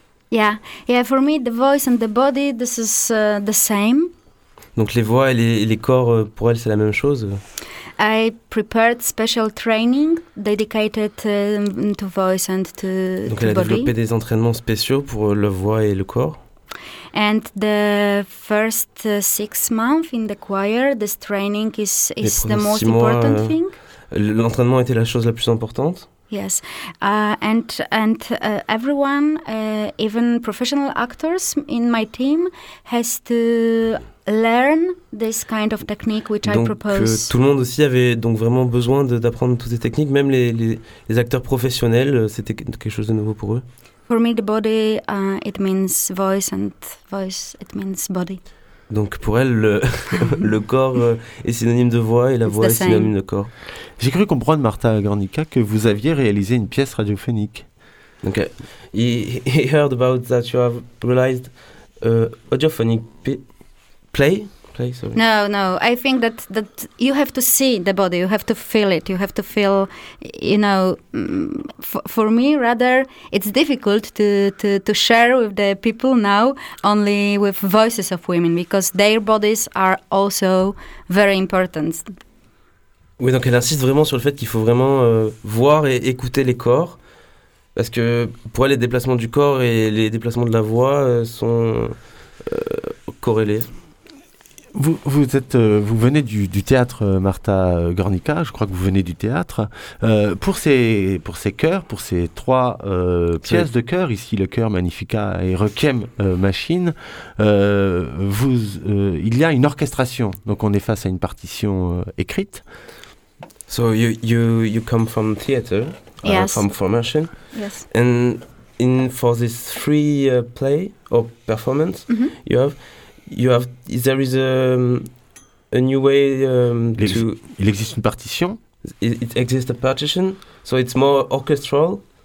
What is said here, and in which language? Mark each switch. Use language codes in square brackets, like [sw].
[en] Yeah, for me, the voice and the body, this is the same. [fr] Donc les voix et les corps, pour elle, c'est la même chose. [en] I prepared special training dedicated to voice and to body. [fr] Donc elle a développé des entraînements spéciaux pour la voix et le corps. [en] And the first 6 months in the choir, this training is the most important thing. [fr] L'entraînement était la chose la plus importante. [en] Yes, and everyone, even professional actors in my team, has to learn this kind of technique which [fr] donc, [en] I propose. [fr] Donc tout le monde aussi avait donc vraiment besoin d'apprendre toutes ces techniques, même les acteurs professionnels, c'était quelque chose de nouveau pour eux. [en] For me, the body, it means voice, and voice, it means body. [fr] Donc pour elle, le, le corps est synonyme de voix et la voix est synonyme de corps. J'ai cru comprendre, Martha Garnica, que vous aviez réalisé une pièce radiophonique. [en] Donc, he heard about that you have realized radiophonic play. No. I think that you have to see the body. You have to feel it. You have to feel, you know. For me, rather, it's difficult to share with the people now only with voices of women because their bodies are also very important. [fr] Oui, donc elle insiste vraiment sur le fait qu'il faut vraiment voir et écouter les corps parce que pour elle, les déplacements du corps et les déplacements de la voix sont corrélés. Vous venez du théâtre, Martha Garnica. Je crois que vous venez du théâtre. Pour ces chœurs, pour ces trois pièces de chœur, ici le chœur Magnifica et Requiem Machine, il y a une orchestration. Donc on est face à une partition écrite. [en] So you come from theater, yes. From formation, yes. And in for this three play or performance, mm-hmm. There is a new way to... [fr] Il existe une partition. [en] It exists a partition, so it's more orchestral.